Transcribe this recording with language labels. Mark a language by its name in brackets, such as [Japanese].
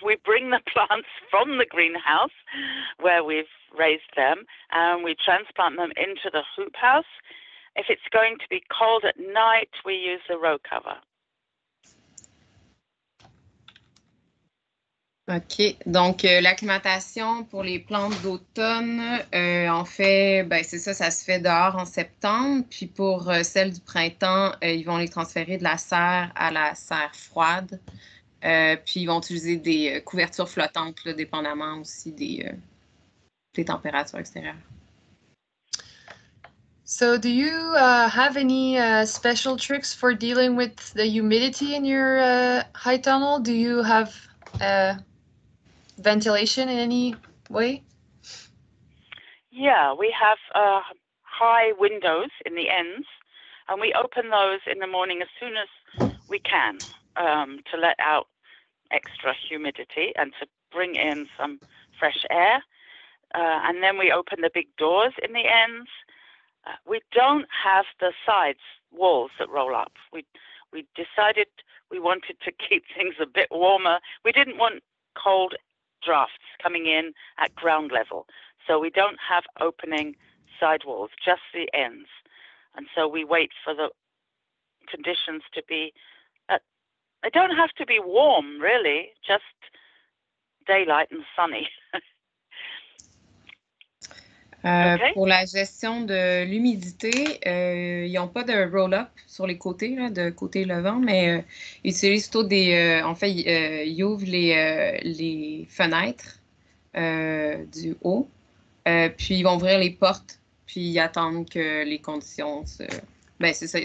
[English] We bring the plants from the greenhouse where we've raised them and we transplant them into the hoop house. If it's going to be cold at night, we use the row cover. OK. [French] Donc, l'acclimatation pour les plantes d'automne, en fait, ben, c'est ça, ça se fait dehors en septembre. Puis pour celles du printemps, ils vont les transférer de la serre à la serre froide. Puis ils vont utiliser des couvertures flottantes, là, dépendamment aussi des températures extérieures. [English] So, do you have any special tricks for dealing with the humidity in your high tunnel? Do you have ventilation in any way? Yeah, we have high windows in the ends, and we open those in the morning as soon as we can to let out extra humidity and to bring in some fresh air. And then we open the big doors in the ends. We don't have the sides walls that roll up. We decided we wanted to keep things a bit warmer. We didn't want cold drafts coming in at ground level. So we don't have opening side walls, just the ends. And so we wait for the conditions to be they don't have to be warm, really, just daylight and sunny. Okay. [French] Pour la gestion de l'humidité, ils n'ont pas de roll-up sur les côtés, là, de côté levant, mais ils utilisent plutôt des... en fait, ils ouvrent les fenêtres du haut, puis ils vont ouvrir les portes, puis ils attendent que les conditions se... Ben, c'est ça.